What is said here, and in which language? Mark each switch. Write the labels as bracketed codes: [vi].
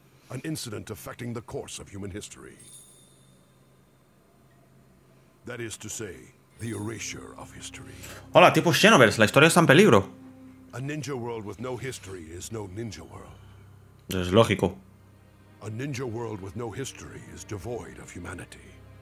[en] An incident affecting the course of human history. That is to say, the erasure of history. [es] Hola, tipo Xenoverse, la historia está en peligro. [en] A ninja world with no history is no ninja world. [es] Es lógico. [en] A ninja world with no history is devoid of humanity.